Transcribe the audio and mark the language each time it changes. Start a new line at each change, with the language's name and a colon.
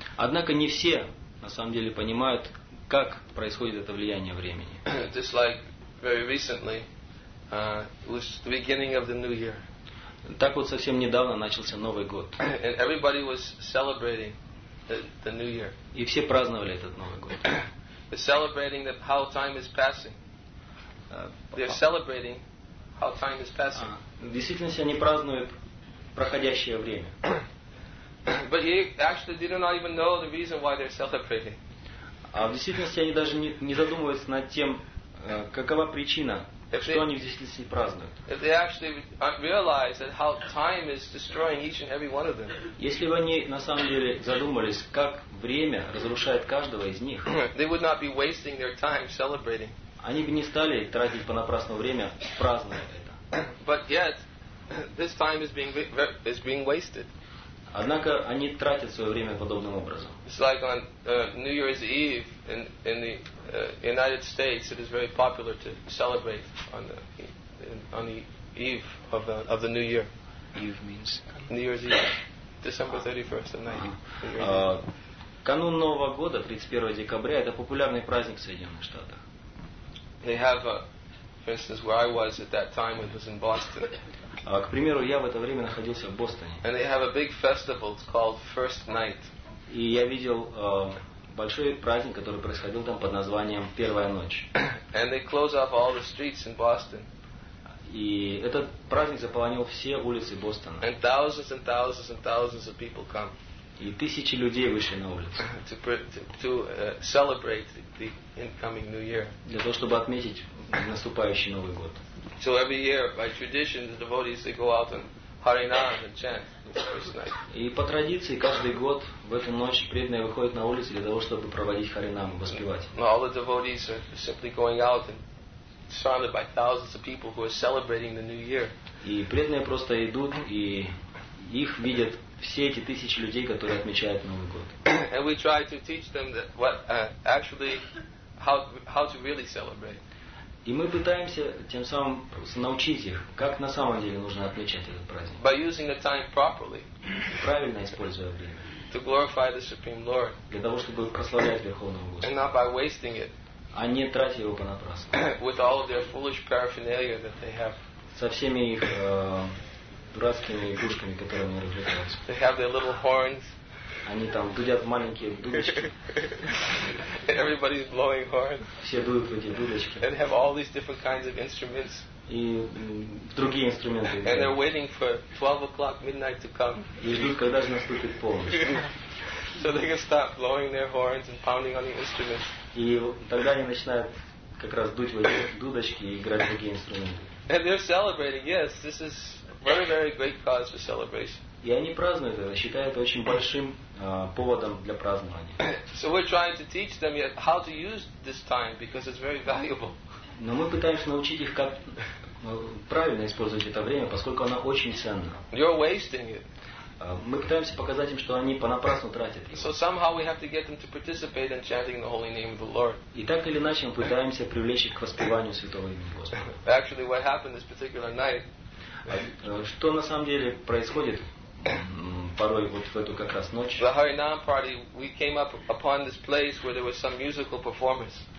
Russian: Однако не все на самом деле понимают, как происходит это влияние времени.
English: Just like very recently, it was the beginning of the new year.
Russian: Так вот совсем недавно начался Новый год.
English: And everybody was celebrating the new year.
Russian: И все праздновали этот Новый год.
English: They're celebrating that how time is passing. They're celebrating how time is passing.
Russian: В действительности они празднуют проходящее время.
English: But actually they do not even know the reason why they're celebrating.
Russian: А в действительности они даже не задумываются над тем, какова причина, что они в действительности празднуют.
English: If they actually realize that how time is destroying each and every one of them.
Russian: Если бы они на самом деле задумались, как время разрушает каждого из них.
English: They would not be wasting their time celebrating.
Russian: Они бы не стали тратить понапрасну время, празднуя это.
English: But yet, this time is being wasted.
Russian: Однако они тратят свое время подобным образом.
English: It's like on New Year's Eve in the United States, it is very popular to celebrate on the eve of the New Year. Eve means New Year's Eve, December 31st at night.
Russian: Канун Нового года, 31 декабря, это популярный праздник в Соединенных Штатах.
English: They have, for instance, where I was at that time, it was in Boston.
Russian: К примеру, я в это время находился в Бостоне.
English: And they have a big festival, it's called First Night.
Russian: И я видел большой праздник, который происходил там под названием Первая ночь.
English: And they close off all the streets in Boston.
Russian: И этот праздник заполонил все улицы Бостона.
English: And thousands and thousands and thousands of people come.
Russian: И тысячи людей вышли на улицу.
English: To celebrate the incoming New Year.
Russian: Для того, чтобы отметить наступающий Новый год.
English: So every year, by tradition, the devotees they go out and harinam and chant this first night.
Russian: И по традиции каждый год в эту ночь преданные выходят на улицу для того, чтобы проводить харинам, воспевать.
English: Now all the devotees are simply going out and surrounded by thousands of people who are celebrating the New Year.
Russian: И преданные просто идут и их видят. Все эти тысячи людей, которые отмечают Новый год.
English: And we try to teach them that what actually how to really celebrate.
Russian: И мы пытаемся тем самым научить их, как на самом деле нужно отмечать этот праздник.
English: By using the time properly.
Russian: Правильно используя время.
English: To glorify the Supreme Lord.
Russian: Для того, чтобы прославлять Верховного Господа.
English: And not by wasting it.
Russian: А не тратя его понапрасну.
English: With all of their foolish paraphernalia that they have.
Russian: Со всеми их дурацкими игрушками, которые они развлекаются.
English: They have their little horns.
Russian: Они там дудят маленькие дудочки.
English: Everybody's blowing horns.
Russian: Все дуют в эти дудочки.
English: And have all these different kinds of instruments.
Russian: И другие инструменты.
English: And they're waiting for 12 o'clock midnight to come.
Russian: И ждут, когда же наступит полночь.
English: So they can start blowing their horns and pounding on the instruments.
Russian: И тогда они начинают как раз дуть в эти дудочки и играть в другие инструменты.
English: And they're celebrating. Yes, this is very, very great cause for celebration.
Russian: И они празднуют это, считают очень большим поводом для празднования.
English: So we're trying to teach them yet how to use this time because it's very valuable.
Russian: Но мы пытаемся научить их, как правильно использовать это время, поскольку оно очень ценно.
English: You're wasting it.
Russian: Мы пытаемся показать им, что они понапрасну тратят его.
English: So somehow we have to get them to participate in chanting the holy name of the Lord.
Russian: И так или иначе мы пытаемся привлечь их к воспеванию святого имени Господа.
English: Actually, what happened this particular night?
Russian: Что на самом деле происходит порой вот в эту как раз ночь?
English: The Harinam party, we came up upon this place where there was some musical performance.